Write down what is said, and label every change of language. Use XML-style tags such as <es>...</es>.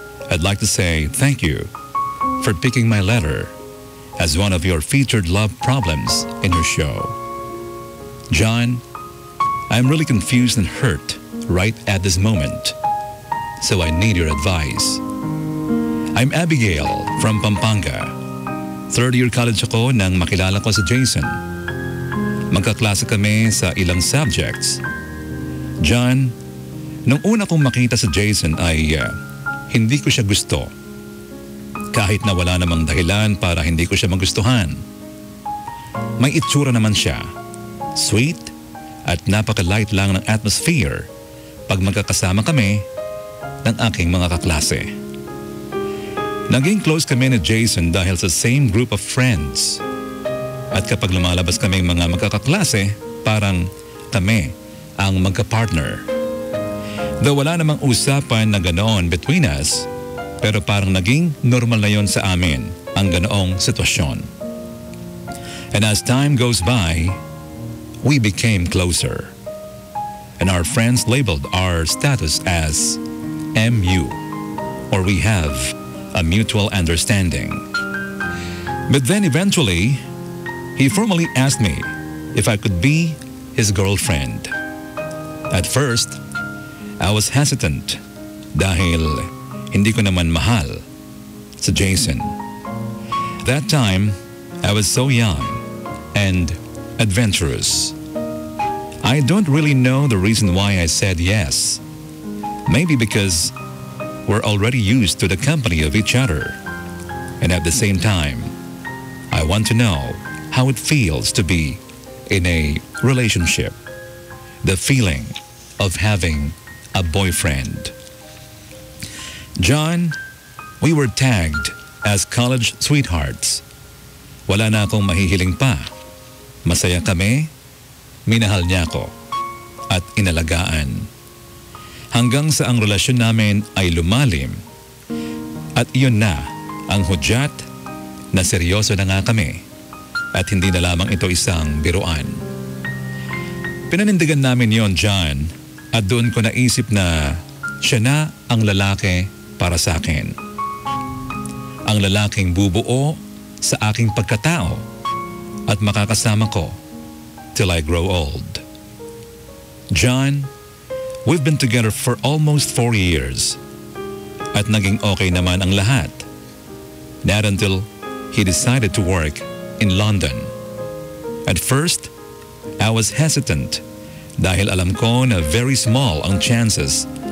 <en>I'd like to say thank you for picking my letter as one of your featured love problems in your show. John, I'm really confused and hurt right at this moment, so I need your advice. I'm Abigail from Pampanga. Third year college</en> <tl>ako nang makilala ko si Jason. Magkaklase kami sa ilang subjects. John, nung una kong makita si Jason ay hindi ko siya gusto. Kahit na wala namang dahilan para hindi ko siya magustuhan. May itsura naman siya. Sweet at napaka-light lang ng atmosphere pag magkakasama kami ng aking mga kaklase. Naging close kami ni Jason dahil sa</tl> <en>same group of friends.</en> <tl>At kapag lumalabas kami mga magkakaklase, parang kami ang magka-partner. Though wala namang usapan na ganoon</tl> <en>between us,</en> <tl>pero parang naging normal na yon sa amin ang ganoong sitwasyon.</tl> <en>And as time goes by, we became closer. And our friends labeled our status as MU, or we have a mutual understanding. But then eventually, he formally asked me if I could be his girlfriend. At first, I was hesitant</en> <tl>dahil hindi ko naman mahal sa Jason.</tl> <en>That time, I was so young and adventurous. I don't really know the reason why I said yes. Maybe because we're already used to the company of each other. And at the same time, I want to know how it feels to be in a relationship. The feeling of having a boyfriend. John, we were tagged as college sweethearts.</en> <tl>Wala na akong mahihiling pa. Masaya kami, minahal niya ako, at inalagaan. Hanggang sa ang relasyon namin ay lumalim, at iyon na ang hudyat na seryoso na nga kami, at hindi na lamang ito isang biruan. Pinanindigan namin yon, John. At doon ko naisip na siya na ang lalaki para sa akin. Ang lalaking bubuo sa aking pagkatao at makakasama ko</tl> <en>till I grow old. John, we've been together for almost 4 years</en> <tl>at naging okay naman ang lahat.</tl> <en>Not until he decided to work in London. At first, I was hesitant.</en> <tl>Dahil alam ko na</tl> <en>very small ang chances</en>